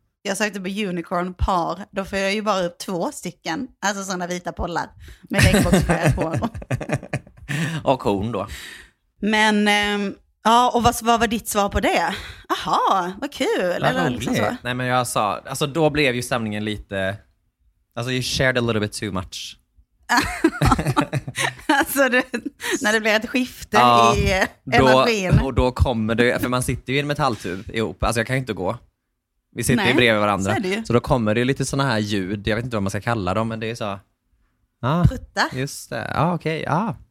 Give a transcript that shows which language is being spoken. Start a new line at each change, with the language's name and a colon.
Swedish: Jag sökte på unicorn par. Då får jag ju bara upp två stycken. Alltså sådana vita pollar. Med Xbox-spel på. Och hon då. Men, ja, och vad var ditt svar på det? Aha, vad kul. Vad roligt. Liksom nej, men jag sa, alltså då blev ju stämningen lite... Alltså,
English: you shared a little bit too much.
Swedish: Alltså, du, när det blir ett skifte i energin. Och då kommer du, för man sitter ju i en metalltub ihop. Alltså, jag kan ju inte gå. Vi sitter ju bredvid varandra. Så då kommer det ju lite såna här ljud. Jag vet inte vad man ska kalla dem, men det är så... Prutta. Just det. Ja, okej. Ja.